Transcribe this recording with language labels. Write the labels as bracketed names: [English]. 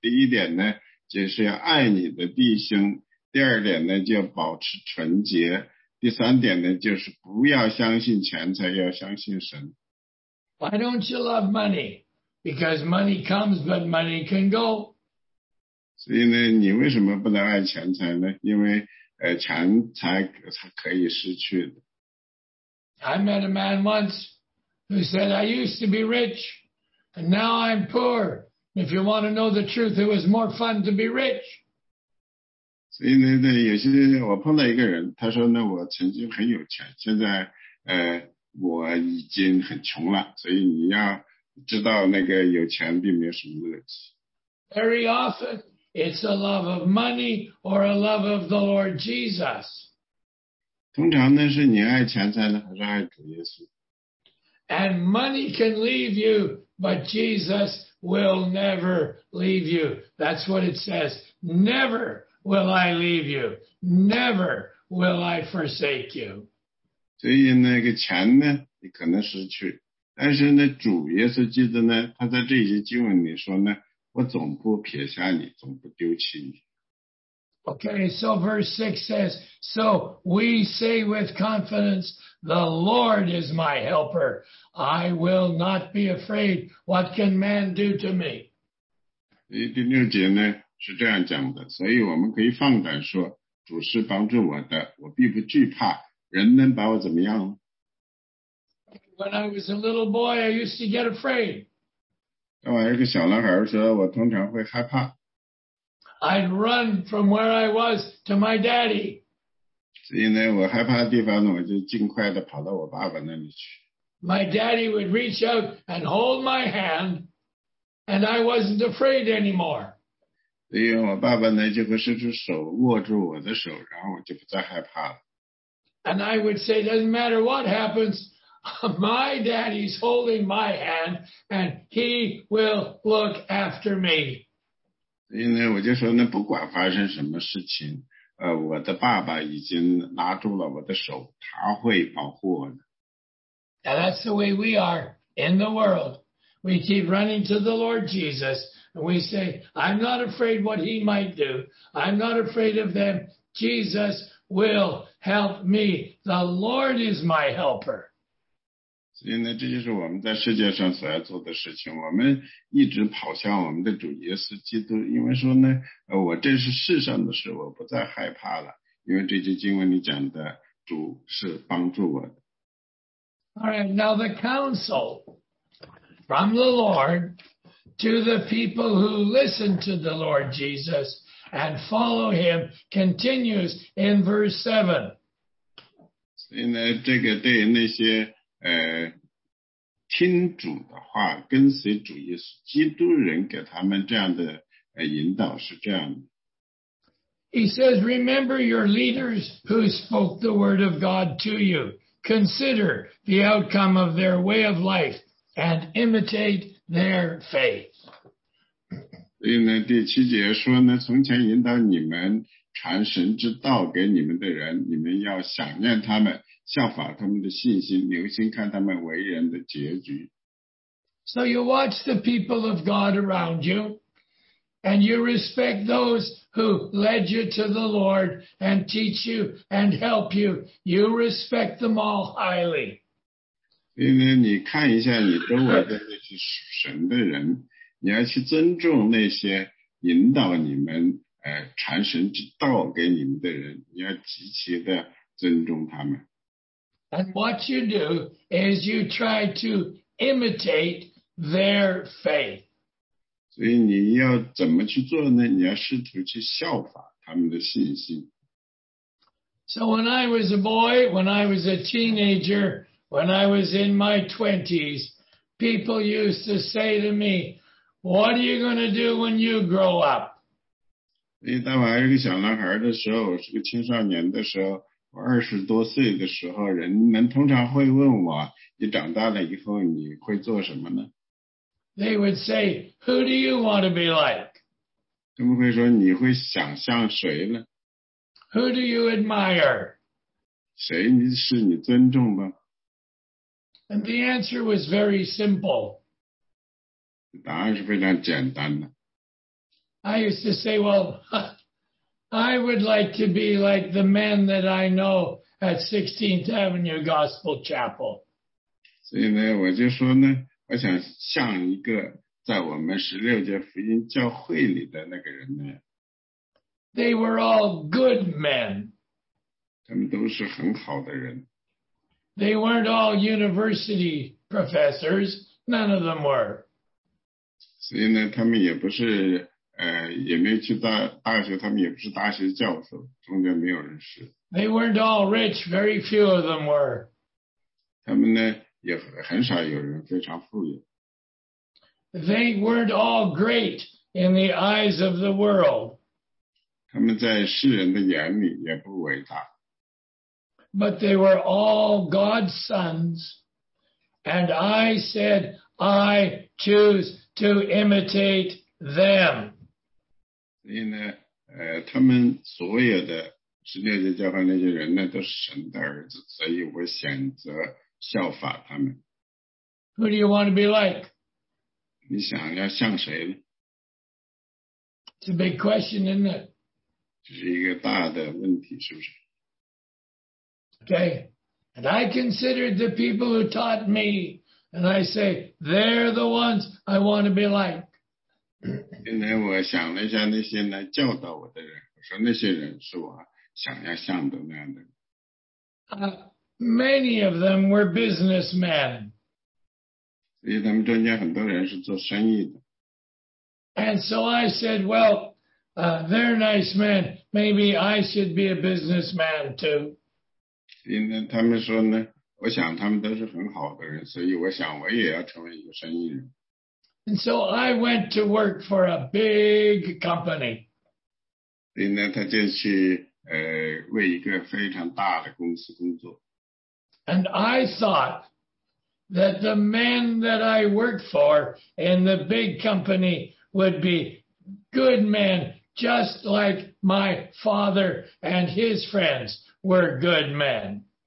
[Chinese] 第一点呢，就是要爱你的弟兄；第二点呢，就要保持纯洁；第三点呢，就是不要相信钱财，要相信神。 [English] Why don't you love money? Because money comes, but money can go. [Chinese] 所以呢，你为什么不能爱钱财呢？因为钱财它可以失去的。 [English] I met a man once. Who said, I used to be rich, and now I'm poor. If you want to know the truth, it was more fun to be rich. [Chinese] 所以呢，有些我碰到一个人，他说呢，我曾经很有钱，现在我已经很穷了。所以你要知道，那个有钱并没有什么乐趣。 [English] Very often, it's a love of money or a love of the Lord Jesus. [Chinese] 通常呢，是你爱钱财呢，还是爱主耶稣？ [English] And money can leave you, but Jesus will never leave you. That's what it says. Never will I leave you. Never will I forsake you. [Chinese] 所以那个钱呢，你可能失去，但是呢，主耶稣基督呢，他在这些经文里说呢，我总不撇下你，总不丢弃你。 [English] Okay, so verse 6 says, so we say with confidence, the Lord is my helper. I will not be afraid. What can man do to me? [Chinese] 第六节呢是这样讲的，所以我们可以放胆说，主是帮助我的，我必不惧怕。人能把我怎么样？ [English] When I was a little boy, I used to get afraid. [Chinese] 当我一个小男孩的时候，我通常会害怕。 [English] I'd run from where I was to my daddy. [Chinese] 所以呢，我害怕的地方呢，我就尽快地跑到我爸爸那里去。 [English] My daddy would reach out and hold my hand, and I wasn't afraid anymore. [Chinese] 所以我爸爸呢就会伸出手握住我的手，然后我就不再害怕了。 [English] And I would say, doesn't matter what happens, my daddy's holding my hand, and he will look after me. [Chinese] 所以呢，我就说呢，不管发生什么事情，我的爸爸已经拉住了我的手，他会保护我的。 [English] Now that's the way we are in the world. We keep running to the Lord Jesus, and we say, I'm not afraid what he might do. I'm not afraid of them. Jesus will help me. The Lord is my helper. [Chinese] 所以呢，这就是我们在世界上所要做的事情。我们一直跑向我们的主耶稣基督，因为说呢，我这是世上的事，我不再害怕了，因为这句经文里讲的主是帮助我的。 [English] All right, now the counsel from the Lord to the people who listen to the Lord Jesus and follow him continues in verse 7. [Chinese] 所以呢，这个对那些听主的话，跟随主耶稣基督人给他们这样的引导是这样的。 [English] He says, remember your leaders who spoke the word of God to you. Consider the outcome of their way of life and imitate their faith. [Chinese] 所以呢，第七节说呢，从前引导你们传神之道给你们的人，你们要想念他们，效法他们的信心，留心看他们为人的结局。 [English] So you watch the people of God around you, and you respect those who led you to the Lord and teach you and help you. You respect them all highly. [Chinese] 所以呢，你看一下你周围的那些属神的人，你要去尊重那些引导你们传神之道给你们的人，你要极其的尊重他们。 [English] And what you do is you try to imitate their faith. [Chinese] 所以你要怎么去做呢？你要试图去效法他们的信心。 [English] So when I was a boy, when I was a teenager, when I was in my 20s, people used to say to me, what are you going to do when you grow up? [Chinese] 所以当我还是个小男孩的时候，我是个青少年的时候，我二十多岁的时候，人们通常会问我，你长大了以后你会做什么呢？ [English] They would say, who do you want to be like? [Chinese] 他们会说，你会想像谁呢？ [English] Who do you admire? [Chinese] 谁是你尊重的？ [English] And the answer was very simple. [Chinese] 答案是非常简单的。 [English] I used to say, well, I would like to be like the men that I know at 16th Avenue Gospel Chapel. [Chinese] 所以呢，我就说呢，我想像一个在我们十六届福音教会里的那个人呢。 [English] They were all good men. [Chinese] 他们都是很好的人。 [English] They weren't all university professors. None of them were. [Chinese] 所以呢，他们也不是也没去大学，他们也不是大学教授，中间没有人是。 [English] They weren't all rich, very few of them were. [Chinese] 他们呢，也很少有人非常富有。 [English] They weren't all great in the eyes of the world. [Chinese] 他们在世人的眼里也不伟大。 [English] But they were all God's sons, and I said, I choose to imitate them. [Chinese] 所以呢，他们所有的十六届教会那些人呢，都是神的儿子，所以我选择效法他们。 [English] Who do you want to be like? [Chinese] 你想要像谁呢？ [English] It's a big question, isn't it? [Chinese] 这是一个大的问题，是不是？ [English] Okay, and I considered the people who taught me, and I say, they're the ones I want to be like. [Chinese] 现在我想了一下那些来教导我的人，我说那些人是我想要像的那样的人。 [English] Many of them were businessmen. [Chinese] 所以他们中间很多人是做生意的。 [English] And so I said, well, they're nice men. Maybe I should be a businessman too. [Chinese] 所以呢，他们说呢，我想他们都是很好的人，所以我想我也要成为一个生意人。 [English] And so I went to work for a big company. [Chinese] 所以呢，他就去为一个非常大的公司工作。 [English] And I thought that the man that I worked for in the big company would be good men, just like my father and his friends were good men.